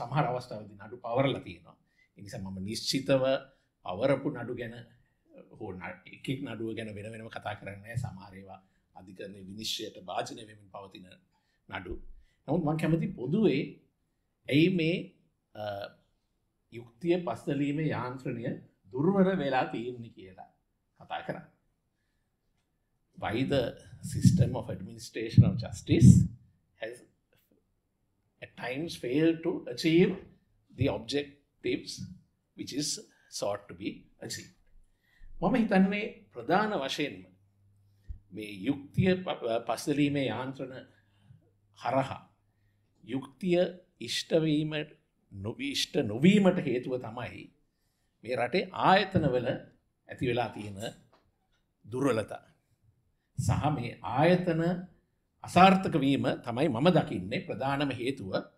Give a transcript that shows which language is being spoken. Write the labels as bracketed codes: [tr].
[si] සමහර අවස්ථාවලදී නඩු පවරලා තියෙනවා. ඒ නිසා මම නිශ්චිතව පවරපු නඩු ගැන හෝ එක එක නඩුව ගැන වෙන වෙනම කතා කරන්නේ නැහැ. සමහර ඒවා අධිකරණයේ විනිශ්චයට භාජනය වෙමින් පවතින නඩු. නමුත් මම කැමති පොදුවේ ඇයි මේ යුක්තිය පස්සලීමේ යාන්ත්‍රණය දුර්වල වෙලා තියෙන්නේ කියලා කතා කරා. [en] Why the system of administration of justice has at times failed to achieve the objectives which is sought to be achieved. [si] මම හිතන්නේ ප්‍රධාන වශයෙන්ම මේ යුක්තිය පස්සලීමේ යාන්ත්‍රණ හරහා යුක්තිය ඉෂ්ට වීම නොවිෂ්ට නොවීමට හේතුව තමයි මේ රටේ ආයතනවල ඇති වෙලා තියෙන දුර්වලතා සහ මේ ආයතන අසාර්ථක වීම තමයි මම දකින්නේ ප්‍රධානම හේතුව.